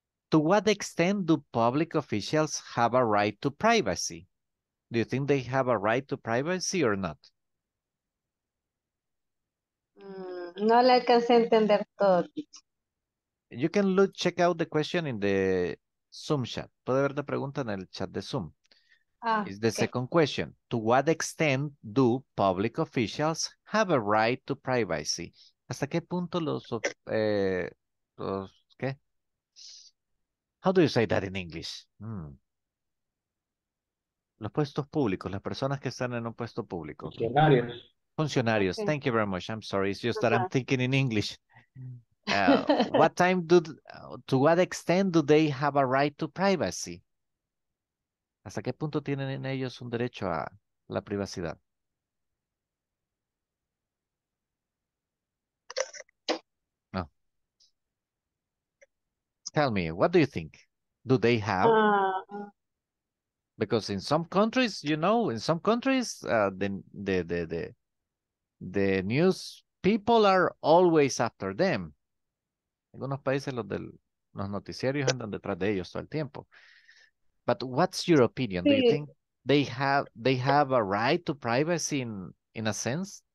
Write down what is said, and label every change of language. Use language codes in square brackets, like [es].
[en] To what extent do public officials have a right to privacy? Do you think they have a right to privacy or not? [es] No le alcancé a entender todo. [en] You can look, check out the question in the Zoom chat. [es] Puede ver la pregunta en el chat de Zoom. Ah, [en] it's the okay. Second question. To what extent do public officials have a right to privacy? [es] ¿Hasta qué punto los qué? [en] How do you say that in English? Hmm. [es] Los puestos públicos, las personas que están en un puesto público. Funcionarios. [en] Funcionarios. Okay. Thank you very much. I'm sorry. It's just that I'm thinking in English. what time do, to what extent do they have a right to privacy? [es] ¿Hasta qué punto tienen en ellos un derecho a la privacidad? No. [en] Tell me, what do you think? Do they have? Because in some countries, you know, in some countries, the news people are always after them. [es] En algunos países los noticiarios andan detrás de ellos todo el tiempo. [en] But what's your opinion? Do you think they have a right to privacy in a sense?